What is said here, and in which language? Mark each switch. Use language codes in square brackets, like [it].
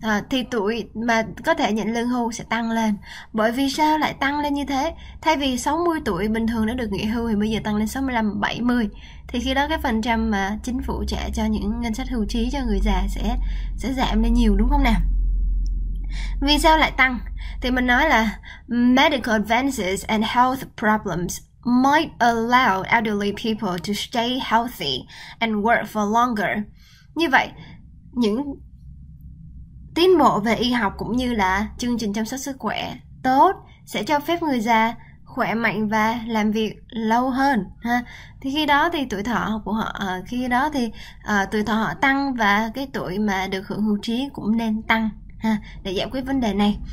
[vi] Thì tuổi mà có thể nhận lương hưu sẽ tăng lên. Bởi vì sao lại tăng lên như thế? Thay vì 60 tuổi bình thường đã được nghỉ hưu thì bây giờ tăng lên 65, 70. Thì khi đó cái phần trăm mà chính phủ trả cho những ngân sách hưu trí cho người già sẽ giảm lên nhiều, đúng không nào? Vì sao lại tăng? Thì mình nói là [en] medical advances and health problems might allow elderly people to stay healthy and work for longer. [vi] Như vậy, những tiến bộ về y học cũng như là chương trình chăm sóc sức khỏe tốt sẽ cho phép người già khỏe mạnh và làm việc lâu hơn ha. Thì khi đó thì tuổi thọ của họ, khi đó thì tuổi thọ họ tăng và cái tuổi mà được hưởng hưu trí cũng nên tăng ha, để giải quyết vấn đề này.